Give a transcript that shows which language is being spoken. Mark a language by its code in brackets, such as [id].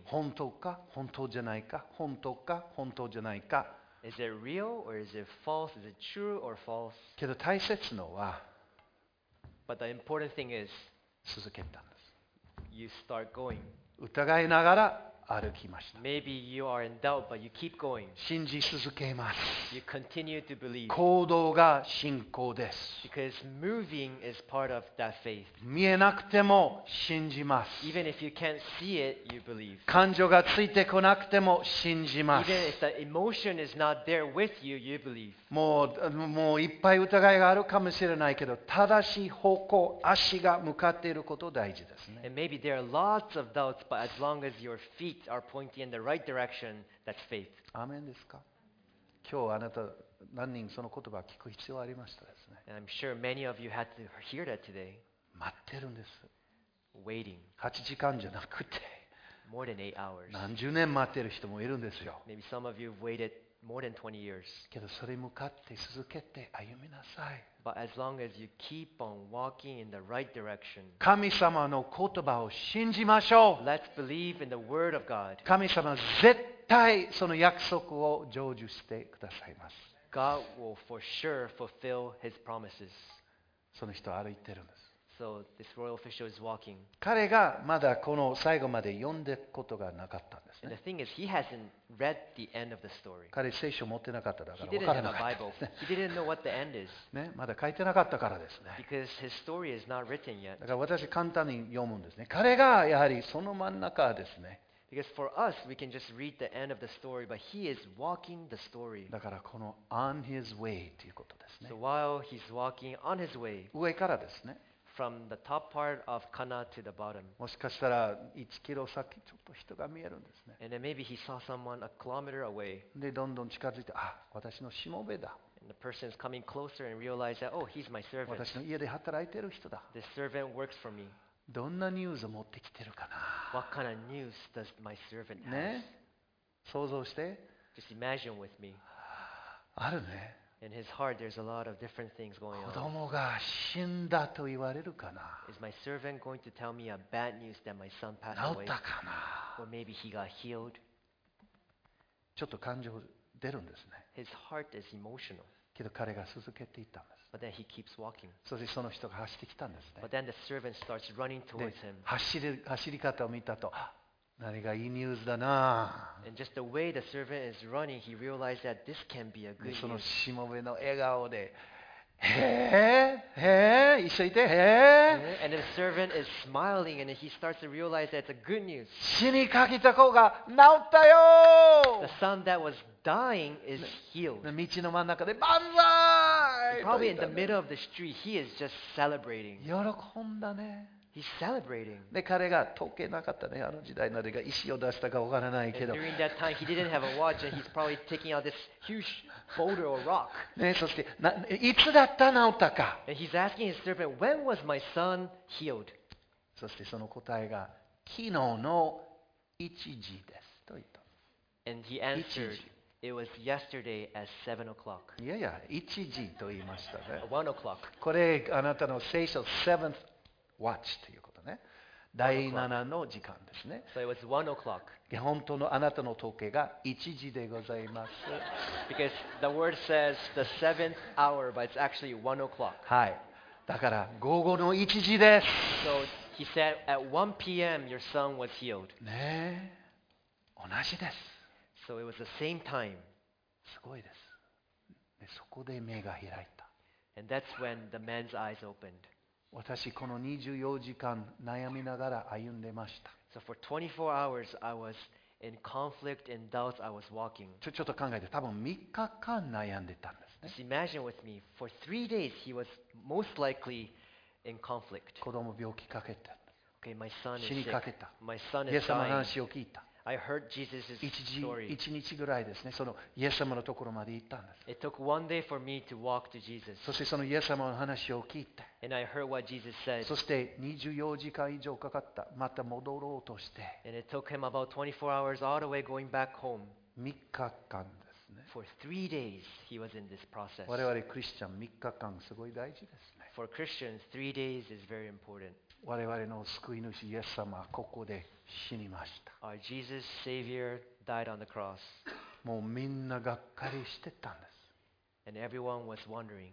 [ja] 本当か本当じゃないか、本当か本当じゃないか。 [en] Is it real or is it false? Is it true or false? [ja] けど大切のは、 [en] But the important thing is, [ja] 続けた。 [en] You start going. [ja] 疑いながら歩きました。 [en] Maybe you are in doubt, but you keep going. [ja] 信じ続けます。 [en] You continue to believe. [ja] 行動が信仰です。 [en] Because moving is part of that faith. [ja] 見えなくても信じます。 [en] Even if you can't see it, you believe. [ja] 感情がついてこなくても信じます。 [en] Even if the emotion is not there with you, you believe. [ja] もういっぱい疑いがあるかもしれないけど、正しい方向、足が向かっていること大事ですね。 [en] And maybe there are lots of doubts, but as long as your feet are pointing in the right direction, that's faith. [ja] アーメンですか？今日あなた何人その言葉を聞く必要ありましたですね。 [en] And I'm sure many of you had to hear that today. [ja] 待ってるんです。 [en] Waiting. [ja] 8時間じゃなくて。 [en] More than 8 hours. [ja] 何十年待ってる人もいるんですよ。 [en] Maybe some of you have waited more than 20 years. [ja] けどそれに向かって続けて歩みなさい。 [en] But as long as you keep on walking in the right direction, [ja] 神様の言葉を信じましょう。 [en] Let's believe in the word of God. [ja] 神様は絶対その約束を成就してくださいます。 [en] God will for sure fulfill His promises. [ja] その人は歩いてるんです。 [en] So this royal official is walking. [ja] 彼がまだこの最後まで読んでことがなかったんですね。 [en] And the thing is, he hasn't read the end of the story. [ja] 彼聖書持ってなかっただから分からなかったですね。 [en] He didn't know what the end is. [ja] ね、まだ書いてなかったからですね。 [en] Because his story is not written yet. [ja] だから私簡単に読むんですね。彼がやはりその真ん中ですね。 [en] Because for us, we can just read the end of the story, but he is walking the story. [ja] だからこの [en] on his way [ja] ということですね。 [en] So while he's walking on his way. [ja] 上からですね。 [en] From the top part of Cana to the bottom. [ja] もしかしたら1キロ先ちょっと人が見えるんですね。 [en] And then maybe he saw someone a kilometer away. [ja] でどんどん近づいて、あ、私のしもべだ。 [en] And the person is coming closer and realize that, oh, he's my servant. [ja] 私の家で働いてる人だ。 [en] The servant works for me. [ja] どんなニュースを持ってきてるかな。 [en] What kind of news does my servant have? [ja] ね、想像して。 [en] Just imagine with me. [ja] あるね。 [en] In his heart, there's a lot of different things going on. [ja] 子供が死んだと言われるかな。 [en] Is my servant going to tell me a bad news that my son passed away? [ja] 治ったかな。 [en] Or maybe he got healed. [ja] ちょっと感情出るんですね。 [en] His heart is emotional. [ja] けど彼が続けていったんです。 [en] But then he keeps walking. [ja] そしてその人が走ってきたんですね。 [en] But then the servant starts running towards him. [ja] 走り方を見たと。何がいいニュースだな。 [en] And just the way the servant is running, he realized that this can be a good news. [ja] そのしもべの笑顔で、へえ、一緒にいて、へえ。 [en] And the servant is smiling, and he starts to realize that it's a good news. [ja] 死にかけた子が治ったよ。 [en] The son that was dying is healed. [ja] 道の真ん中で万歳。 [en] Probably in the middle of the street, he is just celebrating. [ja] 喜んだね。 [en] He's celebrating. [ja] で彼が時計なかったね、あの時代の誰が石を出したかわからないけど。 [en] During that time, he didn't have a watch, and he's probably taking out this huge boulder or rock. [ja] ね、そしてな、いつだった治ったか。 [en] And he's asking his servant, "When was my son healed?" [ja] そしてその答えが昨日の1時ですと言った。 [en] And he answered, "It was yesterday at 7 o'clock." [ja] いやいや、1時と言いましたね。 [en] 1 o'clock. [ja] これあなたの聖書 [en] 7th。 Watch [ja] ということね。第7の時間ですね。 [en] So it was 1 o'clock. [ja] 本当のあなたの時計が1時でございます。 [en] Because the word says the seventh hour, but it's actually 1 o'clock. [ja] はい。だから午後の1時です。 [en] So he said at 1 p.m. your son was healed. [ja] ねえ、同じです。 [en] So it was the same time. [ja] すごいです。でそこで目が開いた。 [en] And that's when the man's eyes opened. [ja] 私この24時間悩みながら歩んでました。 [en] So for 24 hours I was in conflict and doubts I was walking. [ja] ちょっと考えて、多分3日間悩んでたんですね。 [en] Just imagine with me, for 3 days he was most likely in conflict. [ja] 子供病気かけた。 [en] Okay, my son is sick. [ja] 死にかけた。 [en] My son is dying. [ja] イエス様の話を聞いた。 [en] I heard Jesus' story. [ja] 1日ぐらいですね、そのイエス様のところまで行ったんです。 [en] It took one day for me to walk to Jesus. [ja] そしてそのイエス様の話を聞いて。 [en] And I heard what Jesus said. [ja] そして24時間以上かかった。また戻ろうとして。 [en] And it took him about 24 hours all the way going back home. [ja] 3日間ですね。 [en] For three days he was in this process. [ja] 我々クリスチャン3日間すごい大事ですね。 [en] For Christians, three days is very important. [ja] 我々の救い主イエス様はここで死にました。 [en] Our Jesus Savior died on the cross. [ja] もうみんながっかりしてたんです。 [en] And everyone was wondering.